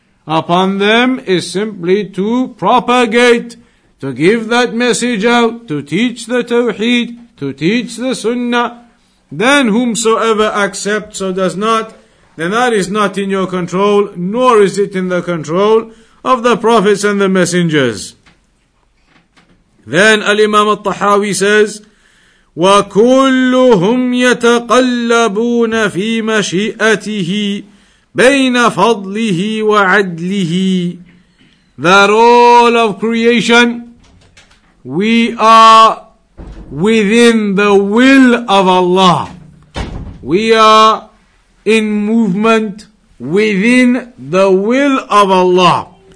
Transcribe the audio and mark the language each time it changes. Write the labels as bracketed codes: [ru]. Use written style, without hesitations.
[en] Upon them is simply to propagate, to give that message out, to teach the tawheed, to teach the sunnah. Then whomsoever accepts or does not, then that is not in your control, nor is it in the control of the prophets and the messengers. Then Al-Imam al-Tahawi says, [ar] وَكُلُّهُمْ يَتَقَلَّبُونَ فِي مَشِئَتِهِ بَيْنَ فَضْلِهِ وَعَدْلِهِ. [en] That all of creation, we are within the will of Allah. We are in movement within the will of Allah.